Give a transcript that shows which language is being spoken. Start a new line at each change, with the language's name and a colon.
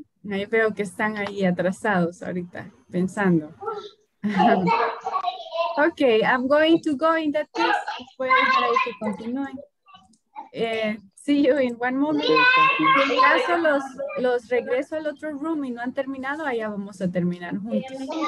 Spanish: Ahí veo que están ahí atrasados ahorita, pensando.
English: Ok, I'm going to go in that case.
Spanish: Voy a dejar ahí que continúen.
English: See you in one moment.
Spanish: Si en caso los regreso al otro room y no han terminado, allá vamos a terminar juntos.